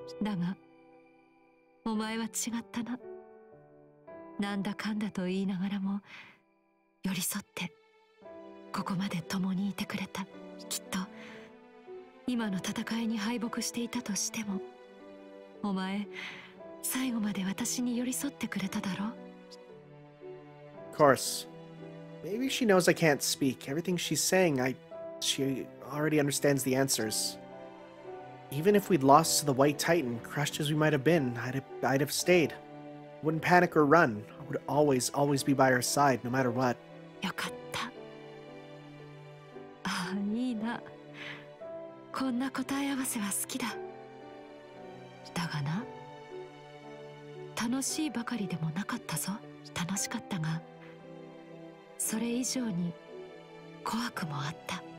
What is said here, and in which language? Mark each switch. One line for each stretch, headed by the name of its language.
Japanese: だが、お前は違ったな。なんだかんだと言いながらも、寄り添って、ここまで共にいてくれた。きっと、今の戦いに敗北していたとしても、お前、最後まで私に寄り添ってくれただろう。
English: Of course. Maybe she knows I can't speak. Everything she's saying, She already understands the answers. Even if we'd lost to the White Titan, crushed as we might have been, I'd have stayed. Wouldn't panic or run. I would always, always be by her side, no matter what.
Japanese: よかった。ああ、いいな。こんな答え合わせは好きだ。だがな、楽しいばかりでもなかったぞ。楽しかったが、それ以上に怖くもあった。